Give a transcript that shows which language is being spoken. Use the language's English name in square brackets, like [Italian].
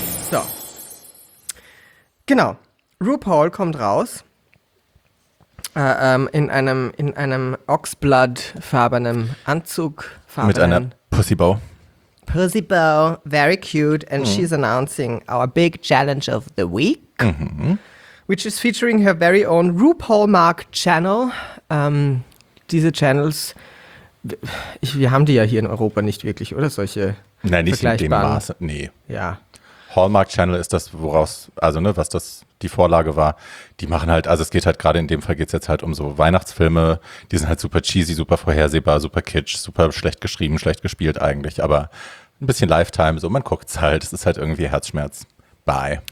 [German] So. Genau. RuPaul kommt raus. In einem Oxblood-farbenen Anzug. Mit einer Pussybow. [English] Pussybow, very cute. And she's announcing our big challenge of the week. Which is featuring her very own RuPaul Mark Channel. [German] Diese Channels, wir haben die ja hier in Europa nicht wirklich, oder? Solche vergleichbaren. Nein, nicht in dem Maße, nee. Ja. Hallmark Channel ist das, woraus, also ne, was das die Vorlage war, die machen halt, also es geht halt gerade in dem Fall geht es jetzt halt um so Weihnachtsfilme, die sind halt super cheesy, super vorhersehbar, super kitsch, super schlecht geschrieben, schlecht gespielt eigentlich, aber ein bisschen Lifetime, so man guckt es halt, es ist halt irgendwie Herzschmerz, bye.